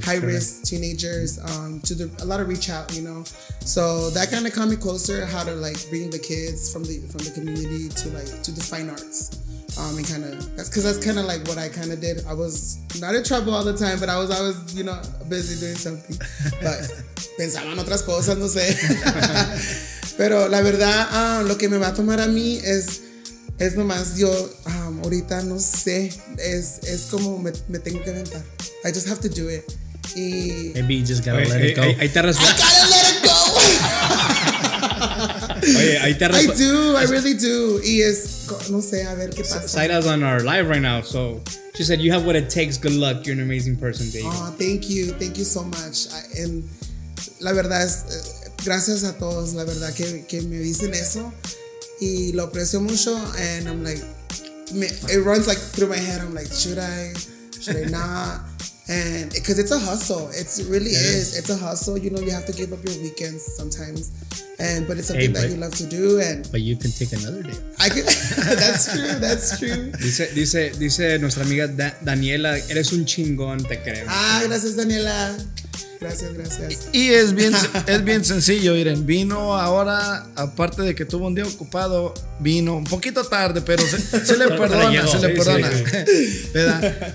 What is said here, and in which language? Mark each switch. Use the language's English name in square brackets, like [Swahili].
[English] high risk teenagers, to the, a lot of reach out, you know. So that kind of got me closer how to like bring the kids from the community to like to the fine arts. And kind of that's because that's kind of like what I kind of did. I was not in trouble all the time, but I was always, you know, busy doing something. [Spanish] But pensaba en otras cosas, no sé. Pero la verdad, lo que me va a tomar a mí es, es nomás yo, ahorita no sé, es como me tengo que aventar. [English] I just have to do it. Y maybe you just gotta let it go. [Spanish] Ahí te resuelve. [English] I gotta let it go. [Spanish] Oye, [English] I do, I really do. [Spanish] Y es, no sé, a ver qué pasa. [English] Saida's on our live right now, so she said, you have what it takes, good luck, you're an amazing person, baby. Oh, thank you so much. And [Spanish] la verdad es, gracias a todos, la verdad que me dicen eso. Y lo aprecio mucho, [English] and I'm like, me, it runs like through my head, I'm like, should I not? And, because it's a hustle, it's, it really is. It's a hustle, you know, you have to give up your weekends sometimes. And, but it's something hey, but, that you love to do. And but you can take another day. I can, that's true, that's true. [Spanish] Dice nuestra amiga Daniela, eres un chingón, te creo. Ah, gracias Daniela. Gracias. Y es bien sencillo, miren, vino ahora, aparte de que tuvo un día ocupado, vino un poquito tarde, pero se le perdona, se le perdona. ¿Verdad?